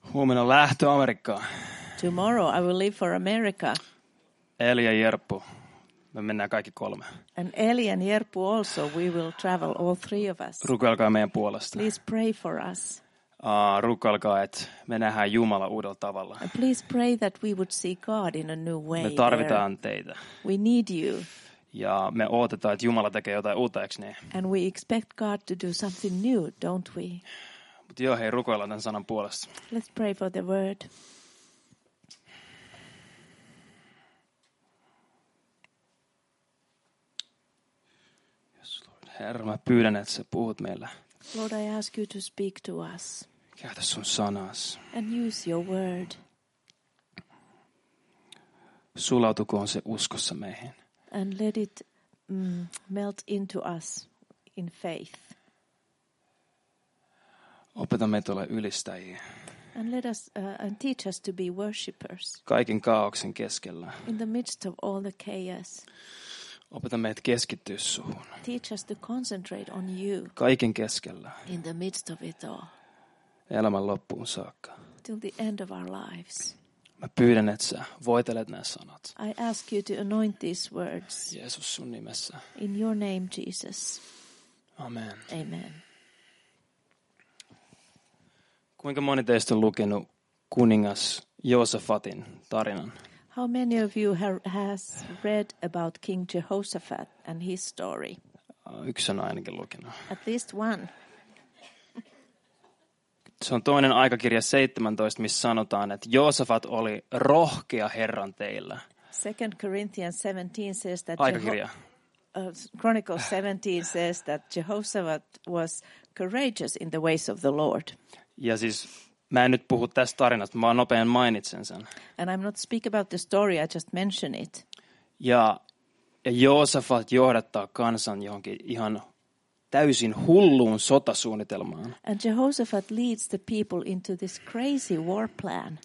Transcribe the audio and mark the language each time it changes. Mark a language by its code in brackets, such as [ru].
[fi] Huomenna lähtö Amerikkaan. [en] Tomorrow I will leave for America. [fi] Eli ja Jerppu, me mennään kaikki kolme. [en] And Eli and Jerppu also, we will travel all three of us. [fi] Rukoilkaa meidän puolesta. [en] Please pray for us. [fi] Rukoilkaa, että me nähdään Jumala uudella tavalla. [en] And please pray that we would see God in a new way. [fi] Me tarvitaan teitä. [en] We need you. [fi] Ja me odotetaan, että Jumala tekee jotain uutta, eikö niin? [en] And we expect God to do something new, don't we? [fi] Mutta joo, hei, rukoillaan tämän sanan puolesta. [en] Let's pray for the word. [fi] Herra, mä pyydän, että sä puhut meillä. [en] Lord, I ask you to speak to us. [fi] Käytä sun sanas. [en] And use your word. [fi] Sulautukoon se uskossa meihin. [en] And let it melt into us in faith. [fi] Opeta meitä olla ylistäjiä. [en] And let us and teach us to be worshippers. [fi] Kaiken kaaoksen keskellä. [en] In the midst of all the chaos. [fi] Opeta meidät keskittyä suhun. [en] Teach us to concentrate on you. [fi] Kaiken keskellä. [en] In the midst of it all. [fi] Elämän loppuun saakka. [en] Till the end of our lives. [fi] Mä pyydän, että sä voitelet nämä sanat. [en] I ask you to anoint these words. [fi] Jeesus, sun nimessä. [en] In your name, Jesus. Amen. Amen. [fi] Kuinka moni teistä on lukenut kuningas Joosafatin tarinan? [en] How many of you has read about King Jehoshaphat and his story? [fi] Yksi on ainakin lukenut. [en] At least one. [fi] Se on toinen aikakirja 17, missä sanotaan, että Joosafat oli rohkea Herran teillä. [en] 2 Corinthians 17 says that [fi] aikakirja. [en] Chronicles 17 says that Jehoshaphat was courageous in the ways of the Lord. [fi] Ja siis mä en nyt puhu tästä tarinasta, mä vaan nopean mainitsen sen. [en] And I'm not speak about the story, I just mention it. [fi] Ja Joosafat johdattaa kansan johonkin ihan täysin hulluun sotasuunnitelmaan. [en] And Jehoshaphat leads the people into this crazy war plan.